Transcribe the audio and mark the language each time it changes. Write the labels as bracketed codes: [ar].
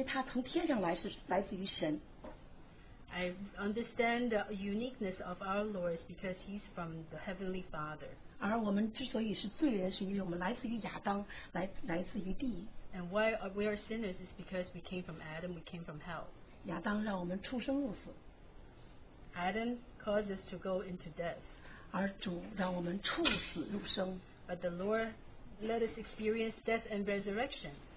[zh] 我明白了主，他的独一，他的独特，是因为他从天上来，是来自于神。 [en] I understand the uniqueness of our Lord is because He's from the Heavenly Father. [zh] 而我们之所以是罪人，是因为我们来自于亚当，来自于地。 [en] And why we are sinners is because we came from Adam, we came from hell. [zh] 亚当让我们出生入死。 [en] Adam caused us to go into death. [zh] 而主让我们处死入生。 [en] But the Lord let us experience death and resurrection.